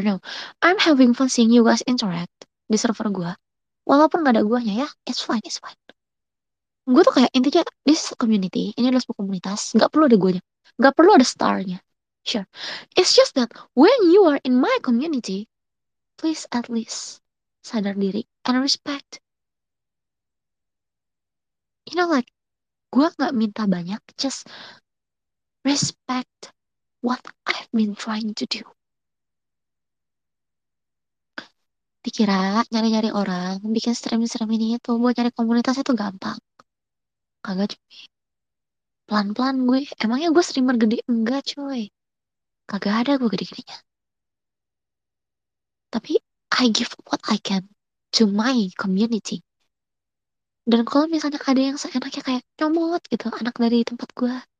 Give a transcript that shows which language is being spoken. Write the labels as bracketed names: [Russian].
[English] No, I'm having fun seeing you guys interact [Indonesian] di server gue. Walaupun gak ada guanya ya, [English] it's fine, it's fine. [Indonesian] Gue tuh kayak intinya, [English] this is a community, [Indonesian] ini adalah sebuah komunitas, gak perlu ada guanya, gak perlu ada starnya. [English] Sure, it's just that when you are in my community, please at least [Indonesian] sadar diri [English] and respect. You know, like, [Indonesian] gue gak minta banyak, [English] just respect what I've been trying to do. [Indonesian] Dikira nyari-nyari orang, bikin stream-stream ini itu, buat nyari komunitas itu gampang. Kagak cuy. Pelan-pelan gue, emangnya gue streamer gede? Enggak cuy. Kagak ada gue gede-gedenya. Tapi, [English] I give what I can to my community. [Indonesian] Dan kalau misalnya ada yang seenaknya kayak nyomot gitu, anak dari tempat gue.